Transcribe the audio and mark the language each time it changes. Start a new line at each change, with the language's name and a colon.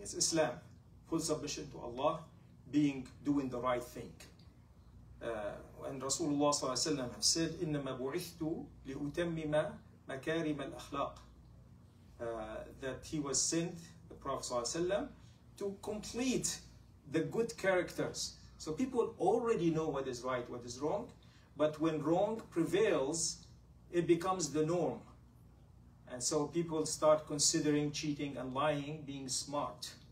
English: It's Islam, full submission to Allah, doing the right thing. And Rasulullah صلى الله عليه وسلم has said,
Arabic: إنما بعثت لأتمم مكارم الأخلاق.
English: That he was sent, the Prophet صلى الله عليه وسلم, to complete the good characters. So people already know what is right, what is wrong. But when wrong prevails, it becomes the norm. And so people start considering cheating and lying, being smart.